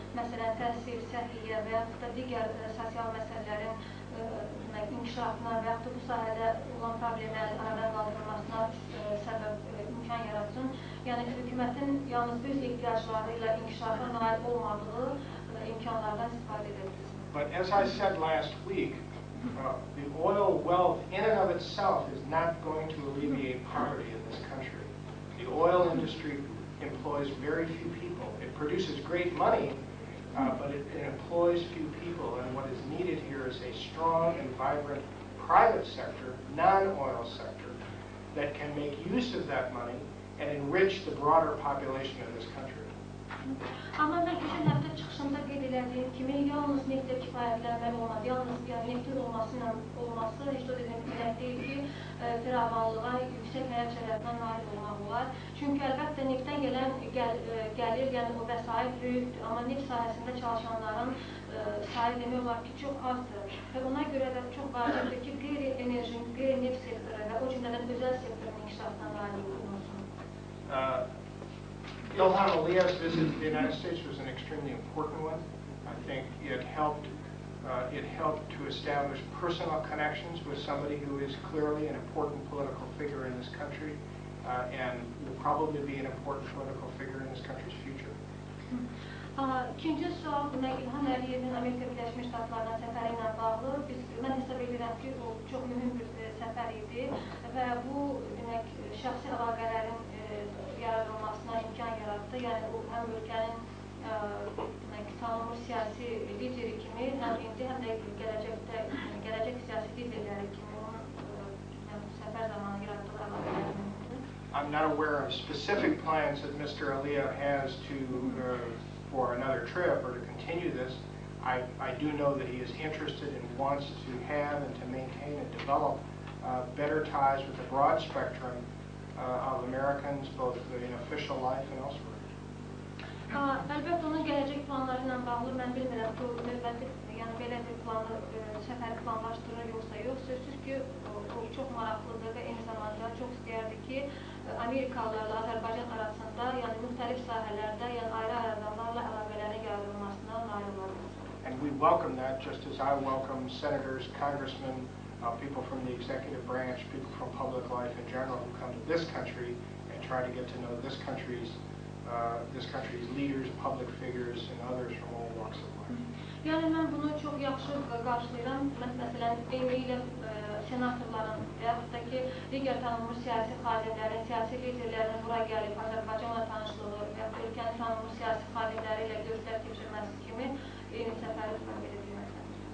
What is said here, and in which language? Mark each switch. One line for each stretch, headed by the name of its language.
Azerbaijani: Məsələn, təhsil, səhiyyə və yaxud da digər sosial məsələlərin demək, inkişafına və yaxud da bu sahədə olan problemlərin aradalandırılmasına səbəb imkan yaratsın. Yəni, hükümətin yalnız öz ehtiyacları ilə inkişafa nail olmadığı imkanlardan istifadə edilsin.
English: But as I said last week, the oil wealth in and of itself is not going to alleviate poverty in this country. The oil industry employs very few people. It produces great money, but it employs few people. And what is needed here is a strong and vibrant private sector, non-oil sector, that can make use of that money and enrich the broader population of this country.
Azerbaijani: Amma mən keçən həftə çıxışımda qeyd elədiyim kimi, yalnız neftə kifayətlənməli olmadı, yalnız yəni, neftin olması heç o dedim ki, deyil ki, firavanlığa, yüksək həyat şəraitinə nail olmaq olar. Çünki əlbəttə neftdən gələn gəlir, yəni o vəsait böyükdür, amma neft sahəsində çalışanların sayı demək olar ki, çox azdır. Və ona görə də çox vacibdir ki, qeyri-enerji, qeyri-neft sektoru və o cümlədən özəl sektorun inkişafına nail olunsun.
English: İlham Aliyev's visit to the United States was an extremely important one. I think it helped to establish personal connections with somebody who is clearly an important political figure in this country, and will probably be an important political figure in this country's future.
Azerbaijani: İkinci sual, demək, İlham Əliyevin Amerika Birləşmiş Ştatlarına səfəri ilə bağlı. Mən hesab edirəm ki, o çox mühüm bir səfər idi və bu, demək, şəxsi əlaqələrin yaradılmasına imkan yaratdı. Yəni, o həm ölkənin tanımış siyasi lideri kimi, həm indi, həm də gələcək siyasi liderləri kimi onun səfər zamanı yaratdığı əlaqələrin.
English: I'm not aware of specific plans that Mr. Aliyev has to for another trip or to continue this. I do know that he is interested and wants to have and to maintain and develop better ties with the broad spectrum of Americans, both in official life and elsewhere.
Azerbaijani: Əlbəttə onun gələcək planları ilə bağlı mən bilmirəm. Bu növbəti, yəni belə bir səfəri planlaşdırır yoxsa yox. Sözsüz ki, o çox maraqlıdır və eyni zamanda çox istəyərdi ki, Amerikalılarla Azərbaycan arasında, yəni müxtəlif sahələrdə, yəni ayrı-ayrı adamlarla əlaqələrə yayılmasına nail olmalıdır.
English: And we welcome that, just as I welcome senators, congressmen, people from the executive branch, people from public life in general who come to this country and try to get to know this country's leaders, public figures, and others from all walks of life.
Azerbaijani: Yəni, mən bunu çox yaxşı qarşılayıram. Məsələn, eyni ilə senatorların və yaxud da ki, digər tanınmış siyasi xadimlərin, siyasi liderlərinin bura gəlib, Azərbaycanla tanışlığı və yaxud da ölkənin tanınmış siyasi xadimləri ilə görüşlər keçirməsi kimi eyni səfəri təmin edə bilməsəm.